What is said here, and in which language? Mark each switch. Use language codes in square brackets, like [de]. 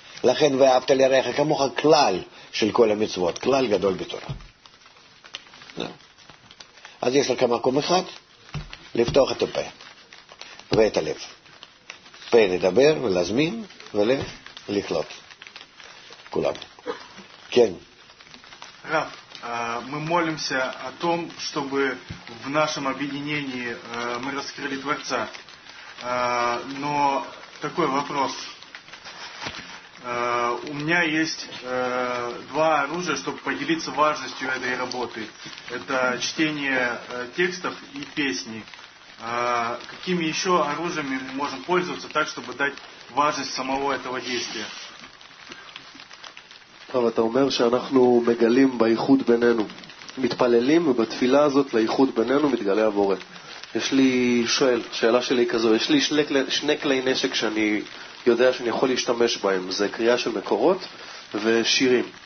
[he] לכן, ואהבת לרעך כמוך, כלל של כל המצוות, כלל גדול בתורה. אז יש לך מקום אחד, לפתוח את הפה, ואת הלב. פה לדבר ולהזמין, ולב לחלוט. כולם. כן. רב. [ru] Мы молимся о том, чтобы в нашем объединении мы раскрыли Творца. Но такой вопрос. У меня есть два оружия, чтобы поделиться важностью этой работы. Это чтение текстов и песни. Какими еще оружиями мы можем пользоваться так, чтобы дать важность самого этого действия? [he] טוב, אתה אומר שאנחנו מגלים בייחוד בינינו, מתפללים, ובתפילה הזאת לייחוד בינינו מתגלה הבורא. יש לי שואל, שאלה שלי כזו, יש לי שני כלי נשק שאני יודע שאני יכול להשתמש בהם, זה קריאה של מקורות ושירים.